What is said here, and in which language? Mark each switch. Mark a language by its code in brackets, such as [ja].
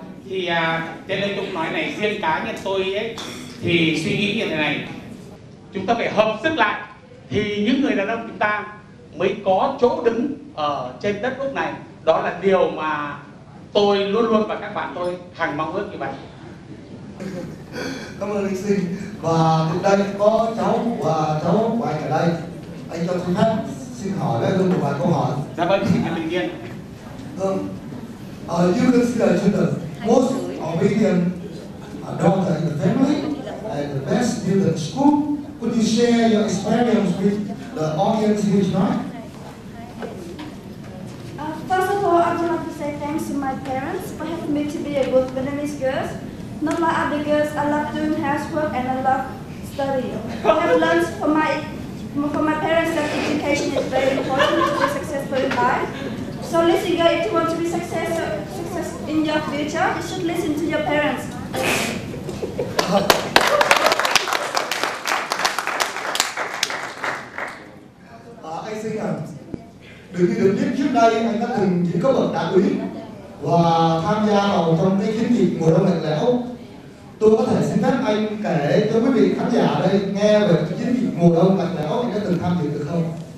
[vi] Thì trên đây cũng nói này, riêng cá nhân tôi ấy thì suy nghĩ như thế này, chúng ta phải hợp sức lại thì những người đàn ông chúng ta mới có chỗ đứng ở trên đất nước này. Đó là điều mà tôi luôn luôn và các bạn tôi hằng mong ước như vậy. Cảm ơn anh Sinh. Và từ đây có cháu và cháu của anh ở đây. Anh cho tôi hát xin hỏi với tôi một vài câu hỏi. Dạ vâng, xin anh bình yên. [en] You can see the children, most obedient daughter in the family and the best student school. Could you share your experience with the audience here tonight? First of all, I would like to say thanks to my parents for having me to be a good Vietnamese girl. Not like other girls, I love doing housework and I love studying. I have learned from my parents that education is very important to be successful in life. So listen girl, if you want to be success in your future, you should listen to your parents. I think [vi] được biết trước đây anh đã từng chỉ có bậc đại úy và tham gia vào trong cái chiến dịch mùa đông lạnh lẽo. Tôi có thể xin phép anh kể cho quý vị khán giả đây nghe về chiến dịch mùa đông lạnh lẽo anh đã từng tham dự được không?